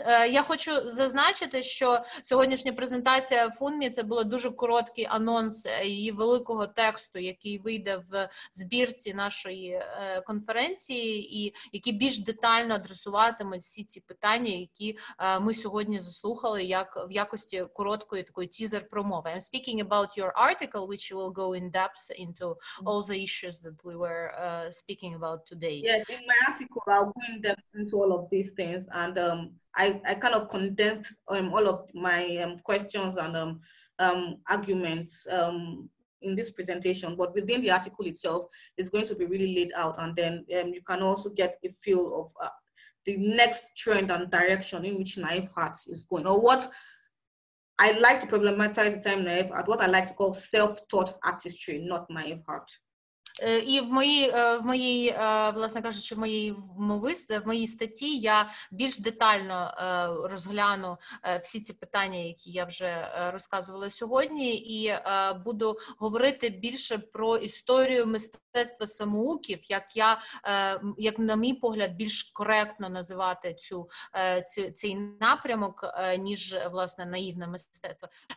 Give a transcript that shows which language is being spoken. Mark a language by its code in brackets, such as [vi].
[uk] Я хочу зазначити, що сьогоднішня презентація Funmi це був дуже короткий анонс її великого тексту, який вийде в збірці нашої конференції, і який більш детально адресуватиме всі ці питання, які ми сьогодні заслухали, як в якості короткої такої тізер-промови. [en] I'm speaking about your article, which will go in depth into all the issues that we were speaking about today. Yes, in my article I'll go in depth into all of these things, and I kind of condensed all of my questions and arguments in this presentation, but within the article itself, it's going to be really laid out, and then you can also get a feel of the next trend and direction in which Naive Art is going, or what I like to problematize the term Naive Art, what I like to call self-taught artistry, not Naive Art. [uk] І в моїй, власне кажучи, в моїй статті я більш детально розгляну всі ці питання, які я вже розказувала сьогодні, і буду говорити більше про історію мистецтва самоуків, як на мій погляд, більш коректно називати цей напрямок, ніж, власне, наївне мистецтво.